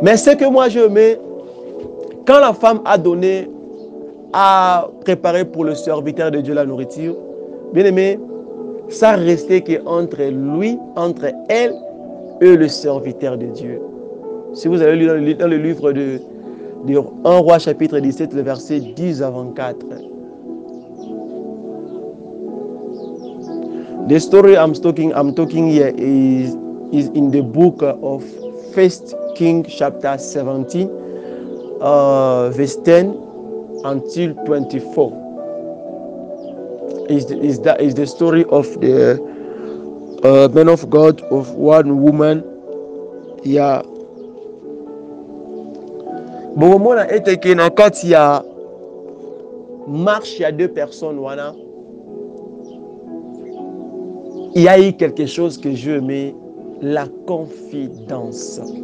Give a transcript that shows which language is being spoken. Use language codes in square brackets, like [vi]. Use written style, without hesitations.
[fr] Mais ce que moi je mets, quand la femme a donné, a préparé pour le serviteur de Dieu la nourriture, bien aimé, ça restait qu'entre lui, entre elle, et le serviteur de Dieu. Si vous avez lu dans le livre de 1 Roi chapitre 17, le verset 10 à 24. [en] The story I'm talking here is in the book of 1 Kings chapter 17, verse 10 until 24. Is the story of the man of God, of one woman. [fr] Bon, moi, là, et que quand il y a marche, il y a deux personnes, voilà. Il y a eu quelque chose que je mets, la confidence.